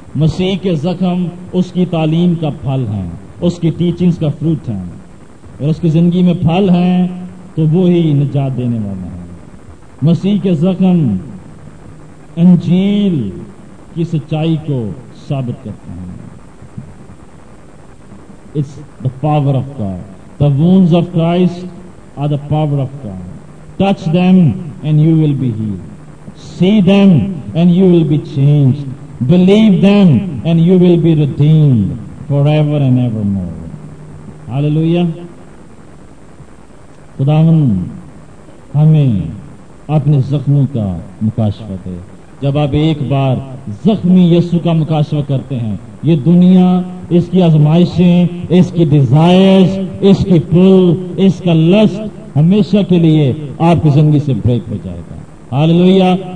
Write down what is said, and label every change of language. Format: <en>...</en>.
<ur>مسیح کے زخم اس کی تعلیم کا پھل ہیں, اس کی ٹیچنگز کا فروٹ ہیں. اگر اس کی زندگی میں پھل ہیں تو وہی نجات دینے والا ہے. مسیح کے زخم انجیل کی سچائی کو ثابت کرتے ہیں.</ur> <en>It's the power of God. The wounds of Christ are the power of God. Touch them and you will be healed. See them and you will be changed. Believe them and you will be redeemed forever and evermore. Hallelujah.</en> <ur>خداوند ہمیں اپنے زخموں کا مکاشفہ دے. جب آپ ایک بار زخمی یسوع کا مکاشفہ کرتے ہیں, یہ دنیا, اس کی آزمائشیں, اس کی ڈیزائرز, اس کی پل, اس کا لسٹ ہمیشہ کے لیے آپ کی زندگی سے بریک ہو جائے گا. ہاللویا.</ur>